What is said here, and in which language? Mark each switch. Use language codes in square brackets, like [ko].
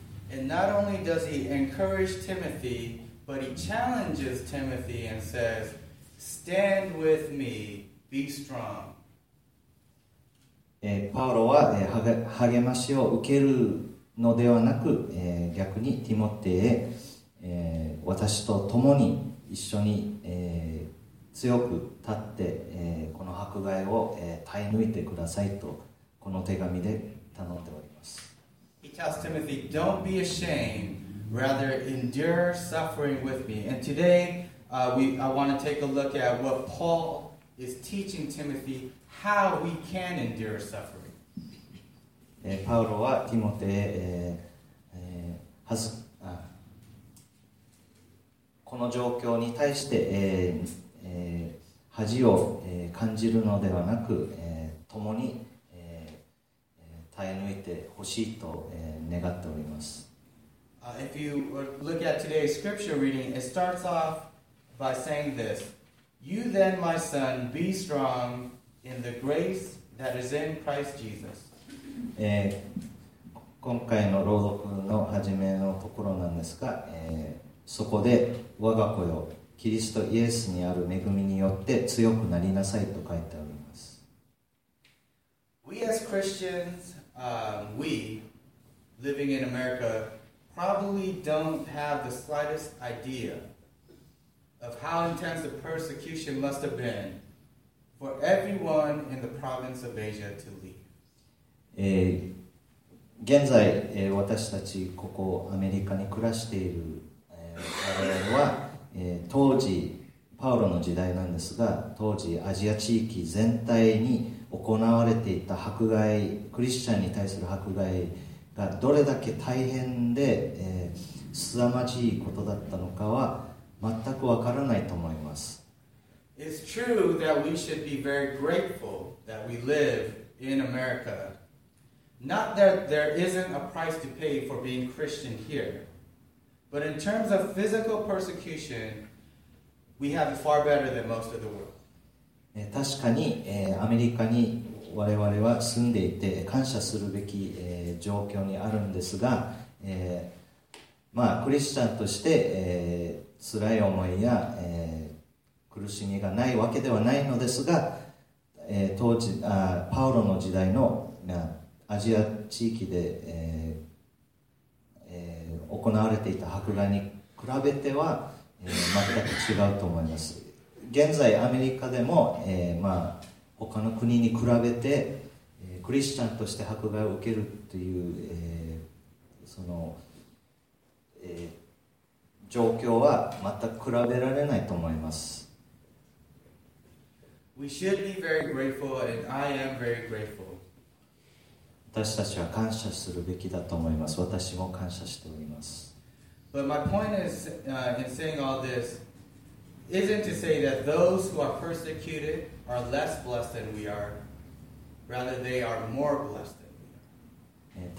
[en] And not only does he encourage Timothy,But he challenges Timothy and says, "Stand with me. Be strong." [ja] パウロは励ましを受けるのではなく、逆にティモテへ、私と共に一緒に、強く立って、この迫害を、耐え抜いてくださいとこの手紙で頼っております。 [en] He tells Timothy, Don't be ashamed, rather endure suffering with me. And today, I want to take a look at what Paul is teaching Timothy how we can endure suffering. [ja] パウロはティモテへ、はずあこの状況に対して、恥を、感じるのではなく、共に、耐え抜いてほしいと、願っております。 [en] If you look at today's scripture reading, it starts off by saying this, You then, my son, be strong in the grace that is in Christ Jesus. [ja] 今回の朗読の始めのところなんですが、そこで我が子よ、キリストイエスにある恵みによって強くなりなさいと書いてあります。 [en] We as Christians, we living in America probably don't have the slightest idea of how intense the persecution must have been for everyone in the province of Asia to leave. [ja] 現在、私たちここアメリカに暮らしている、我々は当時パウロの時代なんですが、当時アジア地域全体に行われていた迫害、クリスチャンに対する迫害がどれだけ大変で、凄まじいことだったのかは全くわからないと思います。 [en] It's true that we should be very grateful that we live in America. Not that there isn't a price to pay for being Christian hereBut in terms of physical persecution, we have it far better than most of the world. [ja] 確かに、アメリカに我々は住んでいて感謝するべき、状況にあるんですが、まあクリスチャンとして、辛い思いや、苦しみがないわけではないのですが、当時パウロの時代の、アジア地域で、行われていた迫害に比べては、全く違うと思います。現在アメリカでも、まあ他の国に比べて、クリスチャンとして迫害を受けるという、その、状況は全く比べられないと思います。 [en] We should be very grateful, and I am very grateful. [ja] 私たちは感謝するべきだと思います。私も感謝しております。 [en] But my point is, in saying all this isn't to say that those who are persecuted are less blessed than we are. Rather, they are more blessed than we are.